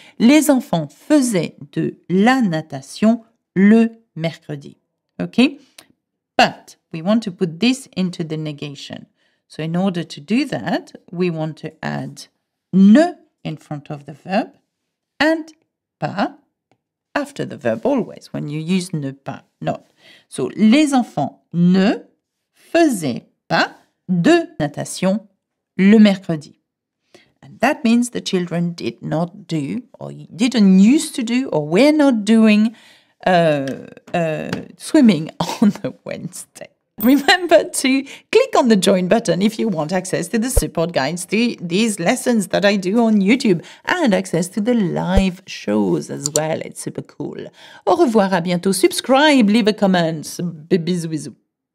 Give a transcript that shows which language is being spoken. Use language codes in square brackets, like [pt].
[fr] Les enfants faisaient de la natation le mercredi. [en] Okay? But we want to put this into the negation. So in order to do that, we want to add ne in front of the verb and pas after the verb always when you use ne pas, not. [fr] So les enfants ne faisaient pas de natation le mercredi. [en] And that means the children did not do or didn't used to do or were not doing swimming on the Wednesday. Remember to click on the join button if you want access to the support guides to these lessons that I do on YouTube and access to the live shows as well. It's super cool. [fr] Au revoir, à bientôt. [en] Subscribe, leave a comment. [fr] Bisous, bisous.